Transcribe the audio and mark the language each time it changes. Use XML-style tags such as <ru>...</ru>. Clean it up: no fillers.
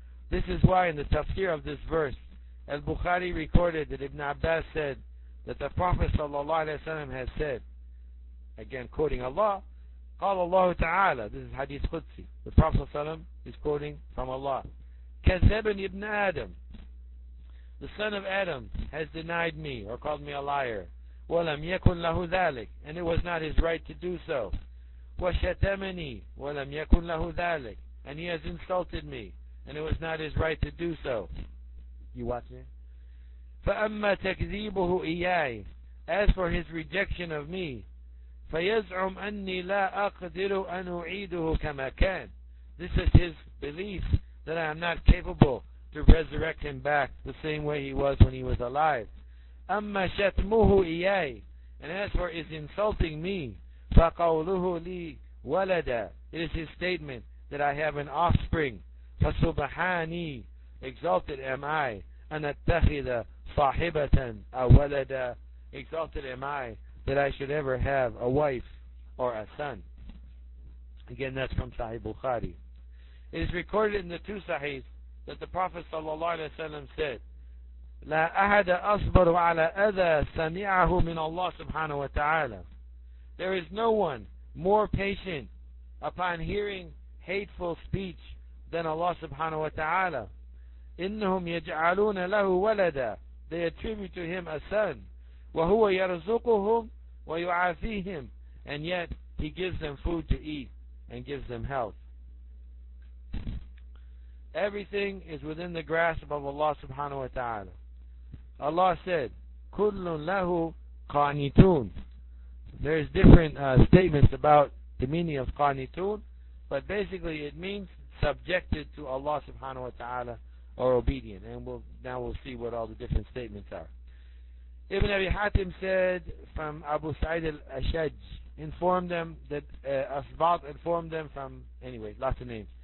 <en>This is why in the tafsir of this verse, Al-Bukhari recorded that Ibn Abbas said that the Prophet sallallahu alayhi wa sallam has said, again quoting Allah,</en> <ar>قال الله تعالى,</ar> <en>this is Hadith Qudsi, the Prophet sallallahu alayhi wa sallam is quoting from Allah,</en> <ar>كَذَّبَنِ ابْنَ آدَمَ,</ar> <en>the son of Adam has denied me or called me a liar.</en> <ar>وَلَمْ يَكُنْ لَهُ ذَلِكَ,</ar> <en>and it was not his right to do so.</en> <ar>وَشَتَمَنِي وَلَمْ يَكُنْ لَهُ ذَلِكَ,</ar> <en>and he has insulted me and it was not his right to do so. You watch me.</en> <ar>فَأَمَّا تَكْذِيبُهُ إِيَّايِ,</ar> <en>as for his rejection of me,</en> <ar>فَيَزْعُمْ أَنِّي لَا أَقْدِرُ أَنْ أُعِيدُهُ كَمَا كَانَ.</ar> <en>This is his belief that I am not capable to resurrect him back the same way he was when he was alive.</en> <ar>أَمَّا شَتْمُهُ إِيَّايِ,</ar> <en>and as for his insulting me,</en> <ar>فَقَوْلُهُ لِي وَلَدًا,</ar> <en>it is his statement that I have an offspring.</en> <ar>فَسُبْحَانِي,</ar> <en>exalted am I,</en> <ar>أَنْ أَتَّخِذَ صَاحِبَةً أَوَلَدًا,</ar> <en>exalted am I that I should ever have a wife or a son. Again, that's from Sahih Bukhari. It is recorded in the two Sahih that the Prophet ﷺ said,</en> <ar>لا أحد أصبر على أذى سمعه من الله سبحانه وتعالى.</ar> <en>There is no one more patient upon hearing hateful speech than Allah subhanahu wa ta'ala.</en> <ar>إنهم يجعلون له ولدا.</ar> <en>They attribute to him a son.</en> <ar>وهو يرزقهم ويعافيهم.</ar> <en>And yet he gives them food to eat and gives them health. Everything is within the grasp of Allah subhanahu wa ta'ala. Allah said,</en> <ar>كُلٌّ لَهُ قَانِتُونَ.</ar> <en>There is different statements about the meaning of qanitun, but basically it means subjected to Allah subhanahu wa ta'ala or obedient. And we'll see what all the different statements are. Ibn Abi Hatim said from Abu Sa'id al-Ashaj, informed them that Asbat informed them from, anyway, lots of names.</en>